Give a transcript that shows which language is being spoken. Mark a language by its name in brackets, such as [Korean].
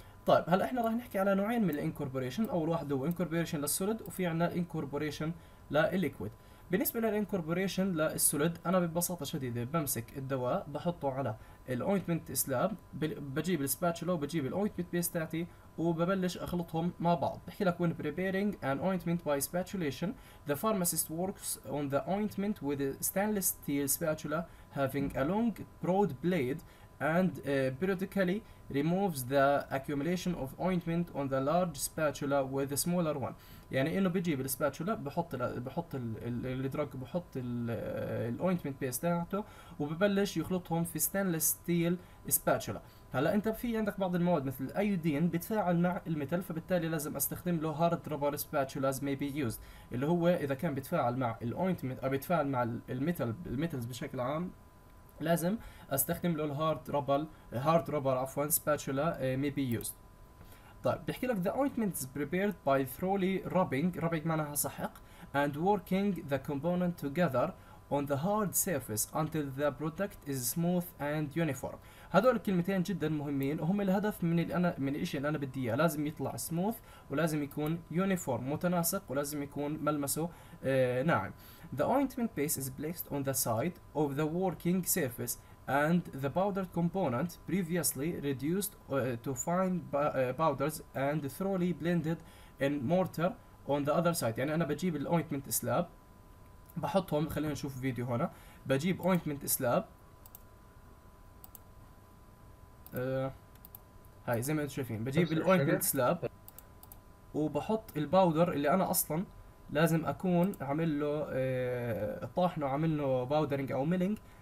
[Arabic] طيب هلا احنا راح نحكي على نوعين من الانكوربوريشن. اول واحد هو انكوربوريشن للسوليد، وفي عندنا الانكوربوريشن للليكويد. بالنسبه للانكوربوريشن للسوليد انا ببساطه شديده بمسك الدواء بحطه على الاوينتمنت سلاب، بجيب السباتشولا وبجيب الاوينتمنت بيست تاعتي وببلش اخلطهم مع بعض. بحكي لك [English] when preparing an ointment by spatulation the pharmacist works on the ointment with a stainless steel spatula having a long broad blade and periodically removes the accumulation of ointment on the large spatula with the smaller one. [Arabic] يعني انه بجيب السباتشولا بحط الدراج بحط الاوينتمنت بيست تاعته وببلش يخلطهم في ستانلس ستيل سباتشولا. هلا انت في عندك بعض المواد مثل الايودين بتفاعل مع الميتال، فبالتالي لازم استخدم له [English] hard rubber spatulas may be used, [Arabic] اللي هو اذا كان بيتفاعل مع الاوينتمنت او بيتفاعل مع الميتال الميتلز بشكل عام لازم استخدم له [English] الهارد rubber spatula may be use. [Arabic] طيب بيحكي لك [English] the ointment is prepared by thoroughly rubbing [Arabic] معناها سحق [English] and working the component together on the hard surface until the product is smooth and uniform. [Arabic] هذول الكلمتين جدا مهمين وهم الهدف من الشيء اللي انا بدي اياه، لازم يطلع سموث ولازم يكون يونيفورم متناسق ولازم يكون ملمسه ناعم. [English] The ointment base is placed on the side of the working surface and the powdered component previously reduced to fine powders and thoroughly blended in mortar on the other side. [Arabic] يعني انا بجيب الاوينتمنت سلاب بحطهم، خلينا نشوف فيديو هنا، بجيب اوينتمنت سلاب هاي زي ما انتم شايفين، بجيب الاوينتمنت سلاب وبحط الباودر اللي انا اصلا لازم اكون عامل له طاحنه، عامل له باودرنج او ميلينج